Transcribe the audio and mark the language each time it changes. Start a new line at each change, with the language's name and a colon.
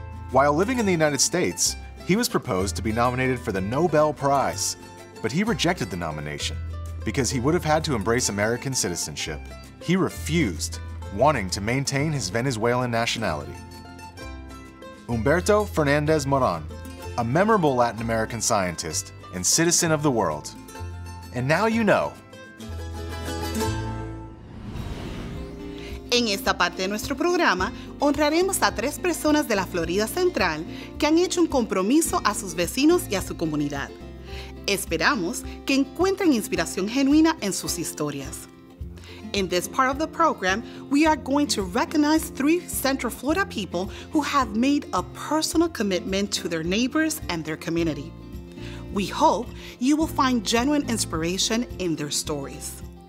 English: While living in the United States, he was proposed to be nominated for the Nobel Prize, but he rejected the nomination because he would have had to embrace American citizenship. He refused, wanting to maintain his Venezuelan nationality. Humberto Fernandez Moran, a memorable Latin American scientist and citizen of the world. And now you know.
Spanish: En esta parte de nuestro programa, honraremos a tres personas de la Florida Central que han hecho un compromiso a sus vecinos y a su comunidad. Esperamos que encuentren inspiración genuina en sus historias.
English: In this part of the program, we are going to recognize three Central Florida people who have made a personal commitment to their neighbors and their community. We hope you will find genuine inspiration in their stories.